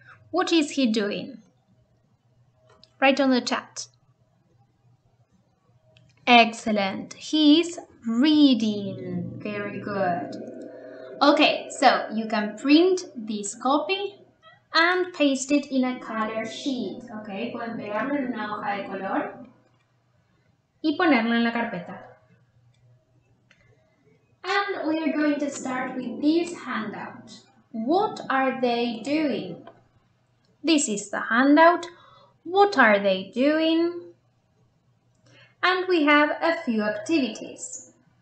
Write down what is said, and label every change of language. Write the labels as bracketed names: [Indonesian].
[English] What is he doing? Write on the chat. Excellent. He's reading. Very good. Okay, so you can print this copy and paste it in a color sheet. [Spanish] Okay, pueden pegarlo en una hoja de color. Y ponerlo en la carpeta. [English] And we are going to start with this handout. What are they doing? This is the handout. What are they doing? And we have a few activities.